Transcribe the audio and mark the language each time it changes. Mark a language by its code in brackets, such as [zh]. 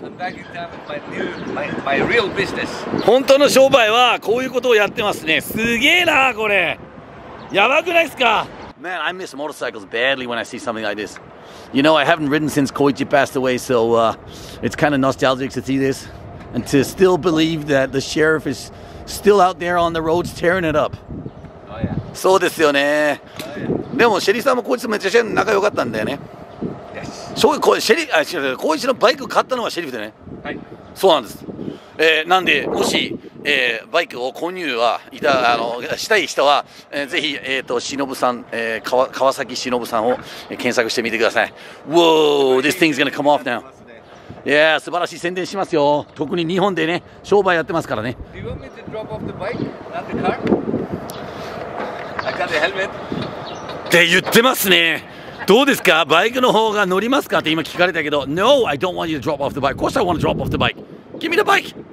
[en] I'm back in town with my real business. [ja] 本当の商売はこういうことをやってますね。すげえなこれ。やばくないですか。 [en] Man, I miss motorcycles badly when I see something like this. You know, I haven't ridden since Koichi passed away, so it's kind of nostalgic to see this and to still believe that the sheriff is still out there on the roads tearing it up. Oh, yeah. [ja] そうですよね。 [en] Oh, yeah. [ja] でも、シェリーさんもコイチとめちゃくちゃ仲良かったんだよね。 [en] Yes. [ja] コイチのバイクを買ったのはシェリーでね。はい。そうなんです。なんで、もし、バイクを購入はいたあのしたい人は、ぜひ、忍さん、川崎忍さんを検索してみてください。 [en] Whoa, this thing's gonna come off now. Yeah, [ja] 素晴らしい宣伝しますよ。特に日本でね、商売やってますからね。 [en] Do you want me to drop off the bike, not the car? I got the helmet. [ja] って言ってますね。どうですか、バイクの方が乗りますかって今聞かれたけど、 [en] No, I don't want you to drop off the bike. Of course I want to drop off the bike. Give me the bike!